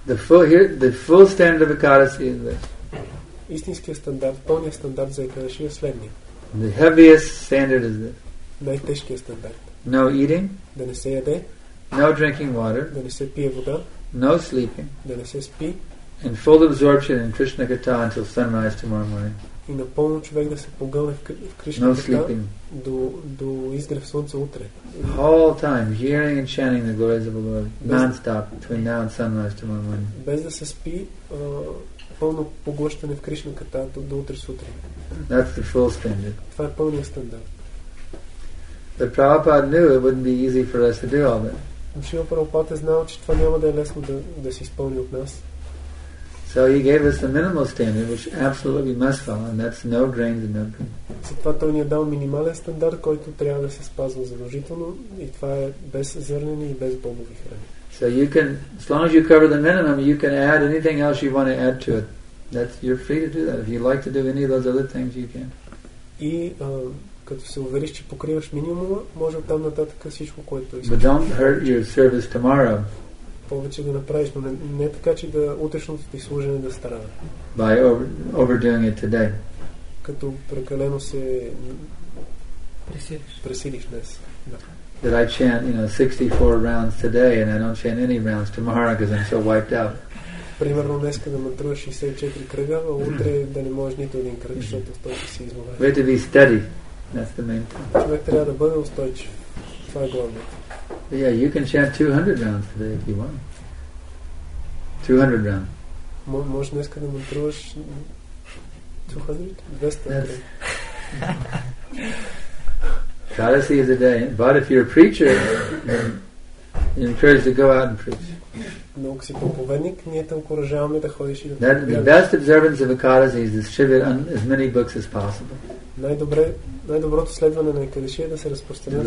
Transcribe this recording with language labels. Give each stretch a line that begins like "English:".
English: The full standard of Екадаши is this.
Bulgarian: Истинският стандарт, пълният стандарт за Екадаши е следния.
English: The heaviest standard is this.
Bulgarian: Най-тежкият стандарт.
English: No eating.
Bulgarian: Да не се яде.
English: No drinking water.
Bulgarian: Да не се пие вода.
English: No sleeping.
Bulgarian: Да не се спи.
English: And full absorption in Krishna Katha until sunrise tomorrow morning.
Bulgarian: И напълно човек да се погълне в Кришна
English: Катха. No sleeping.
Bulgarian: До изгрев слънце утре.
English: All time hearing and chanting the glories of the Lord non-stop between now and sunrise tomorrow morning.
Bulgarian: Без да се спи, пълно поглъщане в Кришна Катха до утре сутрин.
English: That's the full standard.
Bulgarian: Това е пълният стандарт.
English: The Prabhupada knew it wouldn't be easy for us to do all that.
Bulgarian: Шрила Прабхупада знал, че това няма да е лесно да се изпълни от нас.
English: So he gave us the minimal standard, which absolutely must follow, and that's no grains and no beans. Затова той ни е дал минимален стандарт, който трябва да се спазва задължително, и това е без зърнени и без бобови храни. So you can, as long as you cover the minimum, you can add anything else you want to add to it. That's, you're free to do that. If you like to do any of those other things, you can.
Bulgarian: И като се увериш, че покриваш минимума, може оттам нататък всичко, което искаш.
English: But don't hurt your service tomorrow.
Bulgarian: Повече да направиш, но не така, че да утрешното ти служене да страда.
English: By overdoing it today.
Bulgarian: Като прекалено се пресилиш днес.
English: That I chant, you know, 64 rounds today and I don't chant any rounds tomorrow because I'm so wiped out.
Bulgarian: Примерно днес да мантруваш 64 кръга, а утре да не можеш нито един кръг, защото в този си измолен.
English: We have to be steady. That's the main thing.
Bulgarian: Човек трябва да бъде устойчив. Това е главното.
English: Yeah, you can chant 200 rounds today if you want. 200 rounds.
Bulgarian: Може днеска да мантруваш 200? 200.
English: Kadasi is a day. But if you're a preacher, you're encouraged to go out and preach.
Bulgarian: много си проповедник, ние те окоръжаваме да ходиш и да...
English: That the best observance of Ekadasi is to distribute as many books as possible.
Bulgarian: Най-доброто следване на Екадеши е да се разпространят